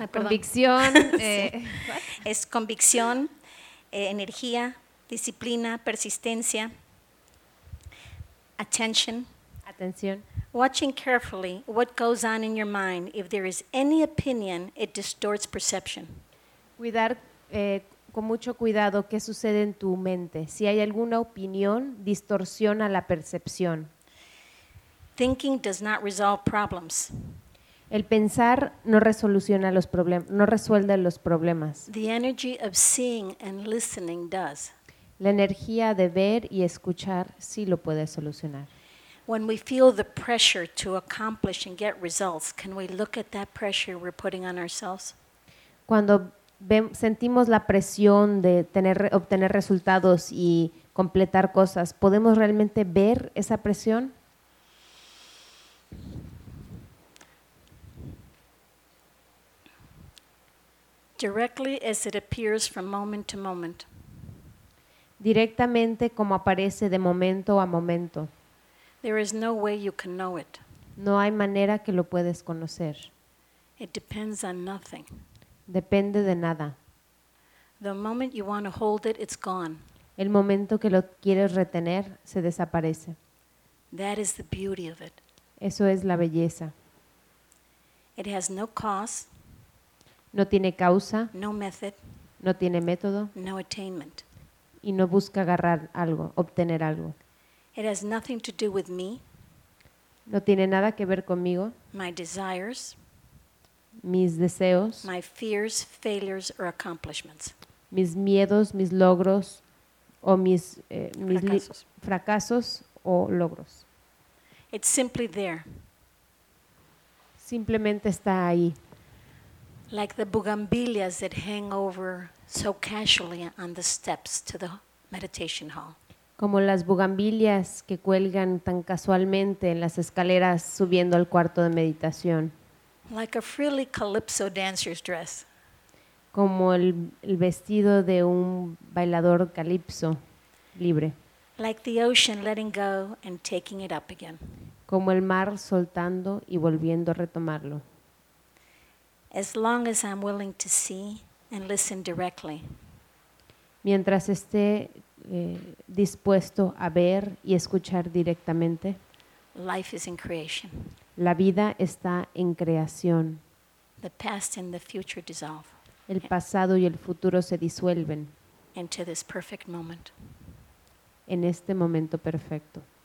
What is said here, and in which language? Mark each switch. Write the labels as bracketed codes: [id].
[es] Convicción. Es convicción, energía, disciplina, persistencia, attention. Atención. [en] Watching carefully what goes on in your mind. If there is any opinion, it distorts perception. [es] Cuidar con mucho cuidado qué sucede en tu mente. Si hay alguna opinión, distorsiona la percepción. [en] Thinking does not resolve problems. [es] El pensar no resoluciona los problemas, no resuelve los problemas. [en] The energy of seeing and listening does. [es] La energía de ver y escuchar sí lo puede solucionar. [en] When we feel the pressure to accomplish and get results, can we look at that pressure we're putting on ourselves? [es] Cuando sentimos la presión de obtener resultados y completar cosas, ¿podemos realmente ver esa presión? [en] Directly as it appears from moment to moment. [es] Directamente como aparece de momento a momento. [en] There is no way you can know it. [es] No hay manera que lo puedes conocer. [en] It depends on nothing. [es] Depende de nada. [en] The moment you want to hold it, it's gone. [es] El momento que lo quieres retener, se desaparece. [en] That is the beauty of it. [es] Eso es la belleza. [en] It has no cause. [es] No tiene causa. [en] No method. [es] No tiene método. [en] No attainment. [es] Y no busca agarrar algo, obtener algo. [en] It has nothing to do with me. [es] No tiene nada que ver conmigo. [en] My desires. [es] Mis deseos. [en] My fears, failures or accomplishments. [es] Mis miedos, mis logros o mis fracasos o logros. [en] It's simply there. [es] Simplemente está ahí. [en] Like the bugambilias that hang over so casually on the steps to the meditation hall. [es] Como las bugambilias que cuelgan tan casualmente en las escaleras subiendo al cuarto de meditación. [en] Like a frilly calypso dancer's dress. [es] Como el vestido de un bailador calipso libre. [en] Like the ocean letting go and taking it up again. [es] Como el mar soltando y volviendo a retomarlo. [en] As long as I'm willing to see and listen directly. [es] Mientras esté dispuesto a ver y escuchar directamente. [en] Life is in creation. [es] La vida está en creación. [en] The past and the future dissolve. [es] El pasado y el futuro se disuelven. [en] Into this perfect moment. [es] En este momento perfecto.